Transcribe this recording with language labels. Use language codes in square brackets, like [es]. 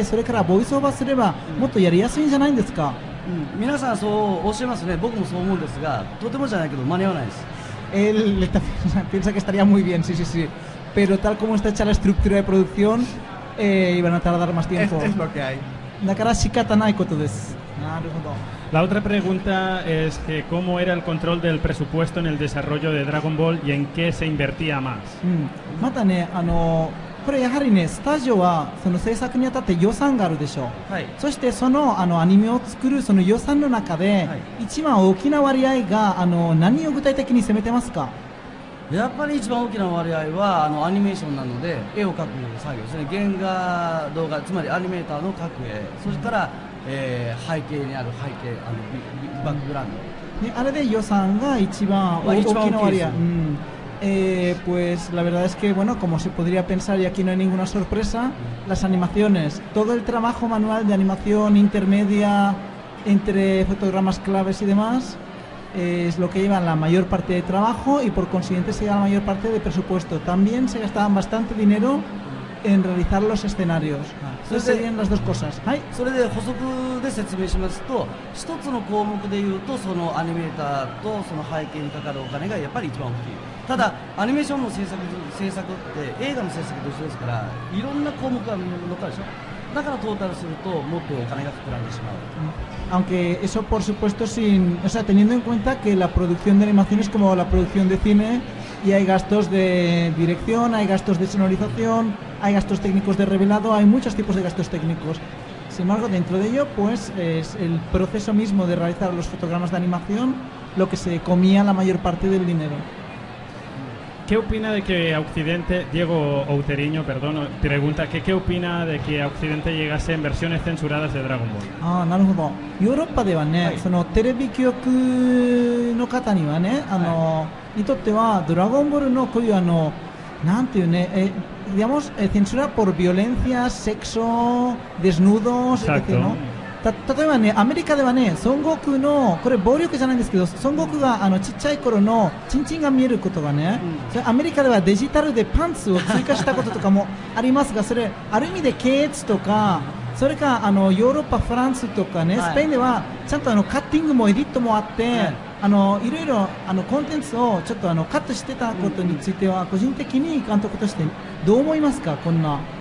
[ja] ですから、もしこんな出来事はそんなに頻繁に起こるなら、逆にまずアニメを完全に制作して、それからボイスオーバーすれば、もっとやりやすいんじゃないですか。皆さんそうおっしゃいますね。僕もそう思うんですが、とてもじゃないけど間に合わないです。 [es] Él piensa que estaría muy bien, sí. Pero tal como está hecha la estructura de producción, iban a tardar más tiempo. Es lo que hay. La otra pregunta es que ¿cómo era el control del presupuesto en el desarrollo de Dragon Ball y en qué se invertía más? [ja] Matane, これやはりね、スタジオはその制作にあたって予算があるでしょう、はい、そしてそ の, あのアニメを作るその予算の中で、はい、一番大きな割合があの何を具体的に攻めてますか。やっぱり一番大きな割合はあのアニメーションなので絵を描く作業ですね。原画動画、つまりアニメーターの描く絵、それから、背景にある背景、あのバックグラウンド、ね、あれで予算が一番大きな割合、まあ、一番大きいです。 [es] Pues la verdad es que, bueno, como se podría pensar, y aquí no hay ninguna sorpresa, las animaciones, todo el trabajo manual de animación intermedia entre fotogramas claves y demás, es lo que lleva la mayor parte de trabajo y por consiguiente se lleva la mayor parte de presupuesto. También se gastaban bastante dinero en realizar los escenarios. Entonces serían las dos cosas. [ja] で説明しますと、一つの項目でいうとそのアニメーターとその背景にかかるお金がやっぱり一番大きい。ただアニメーションの制作って映画の制作と一緒ですから、いろんな項目が乗っかるでしょ。だからトータルするともっとお金が膨らんでしまう。 [es] Aunque eso por supuesto sin, o sea, teniendo en cuenta que la producción de animación es como la producción de cine y hay gastos de dirección, hay gastos de sonorización, hay gastos técnicos de revelado, hay muchos tipos de gastos técnicos. Sin embargo, dentro de ello, pues es el proceso mismo de realizar los fotogramas de animación lo que se comía la mayor parte del dinero. ¿Qué opina de que Occidente, Diego Outeriño, perdón, pregunta que qué opina de que Occidente llegase en versiones censuradas de Dragon Ball? [ja] Ah, なるほど。ヨーロッパではね、そのテレビ局の方にはね、あの、にとってはドラゴンボールのこういうあの、なんていうね、 [es] digamos, censura por violencia, sexo, desnudos, etc. ¿No? [ja] 例えばね、アメリカではね、孫悟空の、これ暴力じゃないんですけど、孫悟空があのちっちゃい頃のチンチンが見えることがね、うん、アメリカではデジタルでパンツを追加したこととかもありますが、それある意味で啓発とか、それかあのヨーロッパ、フランスとかね、スペインではちゃんとあのカッティングもエディットもあって、はい、あのいろいろあのコンテンツをちょっとあのカットしてたことについては、個人的に監督としてどう思いますか、こんな。